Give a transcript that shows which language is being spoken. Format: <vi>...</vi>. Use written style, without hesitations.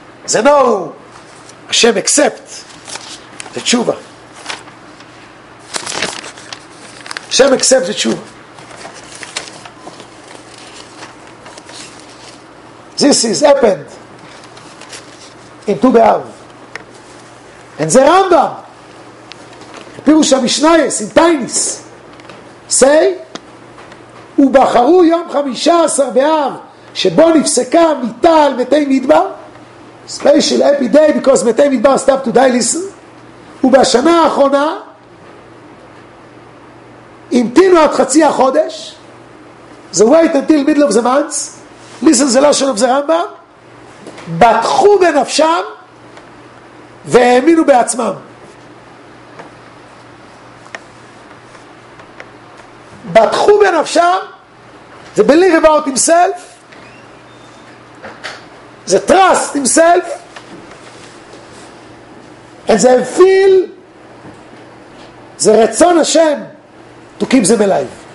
<en>They know Hashem accept the tshuva. Hashem accept the tshuva. This is happened in Tu B'Av. And the Rambam, Pirush HaMishnayos in Tainis, say,</en> <he>ובחרו יום 15 באב שבו נפסקה מיטה על מתי מדבר.</he> <en>Special happy day because מתי מדבר stop to die listen.</en> <he>ובשנה האחרונה המתינו עד חצי החודש.</he> <en>The wait until middle of the month. Listen the lesson of the Rambam.</en> <he>בטחו בנפשם והאמינו בעצמם. בטחו בנפשם.</he> <en>They believe about himself. the trust himself, and then feel the Ratzon Hashem to keep them alive.</en>